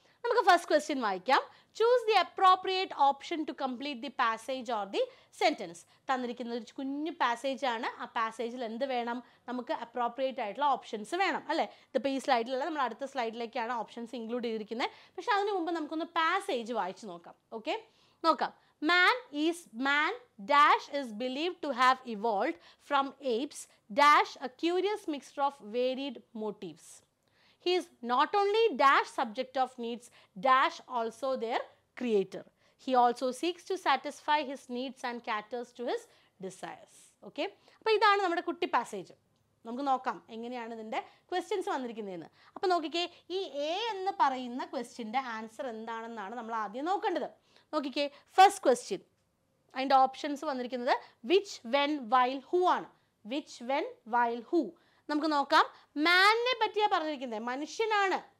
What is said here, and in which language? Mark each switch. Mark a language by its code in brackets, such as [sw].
[ml] നമുക്ക് first question വായിക്കാം [en] choose the appropriate option to complete the passage or the sentence [ml] തന്നിരിക്കുന്ന ഒരു കുഞ്ഞു പാസേജാണ് ആ പാസേജിൽ എന്ത് വേണം നമുക്ക് അപ്രോപ്രിയേറ്റ് ആയിട്ടുള്ള ഓപ്ഷൻസ് വേണം അല്ലേ ഇതിപ്പോൾ ഈ സ്ലൈഡിലല്ല നമ്മൾ അടുത്ത സ്ലൈഡിലേക്കാണ് ഓപ്ഷൻസ് ഇൻക്ലൂഡ് ചെയ്തിരിക്കുന്നത് പക്ഷെ അതിന് മുമ്പ് നമുക്കൊന്ന് പാസേജ് വായിച്ച് നോക്കാം ഓക്കെ നോക്കാം [en] Man is believed to have evolved from apes dash a curious mixture of varied motives. He is not only dash subject of needs dash also their creator. He also seeks to satisfy his needs and caters to his desires. Okay? [ml] അപ്പോൾ ഇതാണ് നമ്മുടെ കുട്ടി passage നമുക്ക് നോക്കാം എങ്ങനെയാണ് ഇതിൻ്റെ questions വന്നിരിക്കുന്നതെന്ന് അപ്പോൾ നോക്കിക്കേ ഈ എ എന്ന് പറയുന്ന ക്വസ്റ്റ്യൻ്റെ ആൻസർ എന്താണെന്നാണ് നമ്മൾ ആദ്യം നോക്കേണ്ടത് നോക്കിക്കേ ഫസ്റ്റ് ക്വസ്റ്റ്യൻ അതിൻ്റെ ഓപ്ഷൻസ് വന്നിരിക്കുന്നത് വിച്ച് വെൻ വൈൽ ഹൂ ആണ് വിച്ച് വെൻ വൈൽ ഹൂ നമുക്ക് നോക്കാം മാനിനെ പറ്റിയാണ് പറഞ്ഞിരിക്കുന്നത് മനുഷ്യനാണ്